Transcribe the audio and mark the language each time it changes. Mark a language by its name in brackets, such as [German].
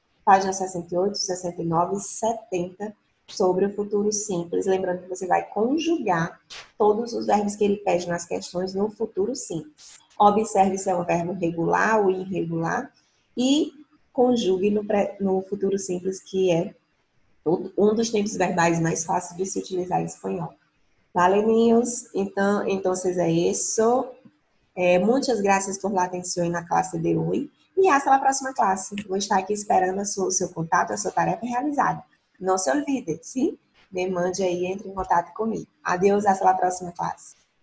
[Portuguese] Página 68, 69, 70. Sobre o futuro simples, lembrando que você vai conjugar todos os verbos que ele pede nas questões no futuro simples. Observe se é um verbo regular ou irregular e conjugue no futuro simples, que é um dos tempos verbais mais fáceis de se utilizar em espanhol. Vale, meninos? Então, é isso. [Spanish] Muchas gracias por la atención en la clase de hoy. E hasta la próxima clase. [Portuguese] Vou estar aqui esperando o seu contato, a sua tarefa realizada. Não se olvide, sim? Me mande aí, entre em contato comigo. Adeus, até a próxima classe.